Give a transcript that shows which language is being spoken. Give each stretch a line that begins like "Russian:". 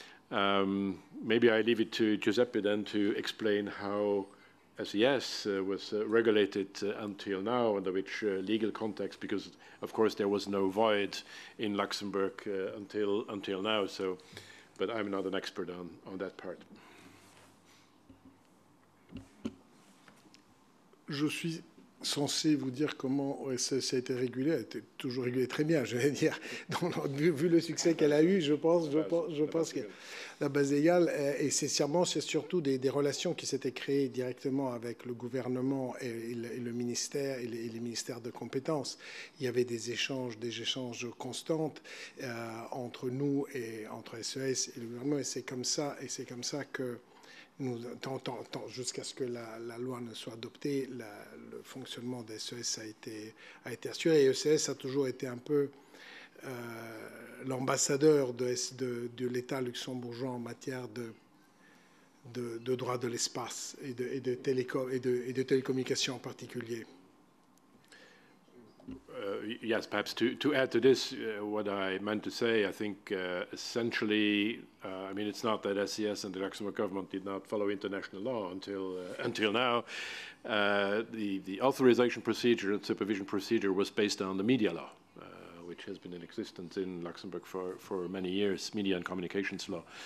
English: Maybe I leave it to Giuseppe then to explain how SES was regulated until now, under which legal context, because of course there was no void in Luxembourg until now. So, but I'm not an expert on that part.
French: Je suis censé vous dire comment SES a été régulé. Elle a été toujours régulée très bien, je vais dire. Dans le, vu le succès qu'elle a eu, je pense que la base légale, et c'est sûrement, c'est surtout des relations qui s'étaient créées directement avec le gouvernement et le ministère et les ministères de compétences. Il y avait des échanges constantes entre nous et entre SES et le gouvernement. Et c'est comme ça que nous, tant, jusqu'à ce que la loi ne soit adoptée, le fonctionnement des SES a été assuré. Et SES a toujours été un peu l'ambassadeur de l'État luxembourgeois en matière de droit de l'espace et de télécommunications en particulier.
English: Yes, perhaps to add to this, what I meant to say, I think essentially, I mean, it's not that SES and the Luxembourg government did not follow international law until now. The authorization procedure and supervision procedure was based on the media law, which has been in existence in Luxembourg for many years, media and communications law.